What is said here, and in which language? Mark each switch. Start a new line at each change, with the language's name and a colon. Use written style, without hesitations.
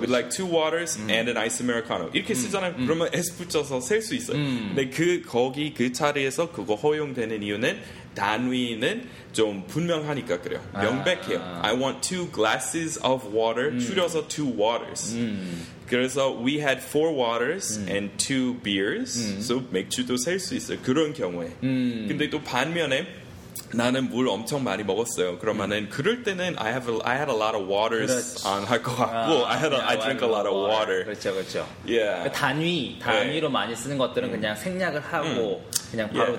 English: We'd like two waters and an ice americano.
Korean: 이렇게 쓰잖아요. 그러면 S 붙여서 셀 수 있어요. 근데 거기 자리에서 그거 허용되는 이유는 단위는 좀 분명하니까 그래요. 명백해요.
English: I want two glasses of water.
Korean: 줄여서 two waters.
English: 그래서 we had four waters and two beers.
Korean: So 맥주도 셀 수 있어요. 그런 경우에. 근데 또 반면에 나는 물 엄청 많이 먹었어요. 그러면은 그럴 때는
English: I had a lot of waters
Korean: 안 할 것 같고
English: I drink a lot of water.
Korean: 그렇죠, 그렇죠.
English: Yeah.
Korean: 단위로 yeah. 많이 쓰는 것들은 그냥 생략을 하고 그냥 바로 yeah.